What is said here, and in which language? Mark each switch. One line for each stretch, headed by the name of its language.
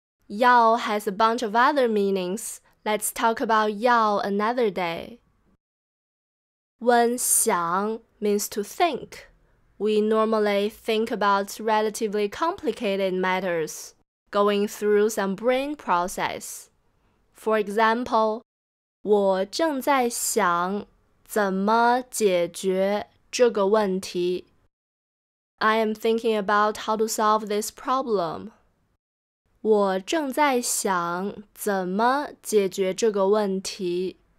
English: 要 has a bunch of other meanings. Let's talk about 要 another day. When 想 means to think, we normally think about relatively complicated matters, going through some brain process. For example,
Chinese: 我正在想怎么解决这个问题。
English: I am thinking about how to solve this problem.
Chinese: 我正在想怎么解决这个问题。